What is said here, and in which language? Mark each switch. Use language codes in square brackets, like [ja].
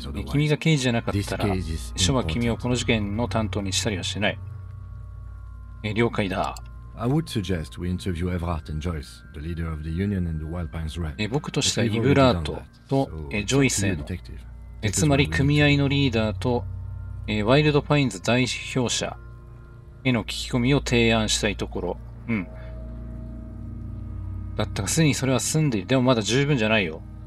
[ja] 君が刑事じゃなかったら、署は君をこの事件の担当にしたりはしない。了解だ。 [en] I would suggest we interview Everard and Joyce, the leader of the Union and the Wild Pines Red. [ja] 僕としてはイブラートとジョイスへの、つまり組合のリーダーと、ワイルドパインズ代表者への聞き込みを提案したいところ。だったが、すでにそれは済んでいる。でもまだ十分じゃないよ。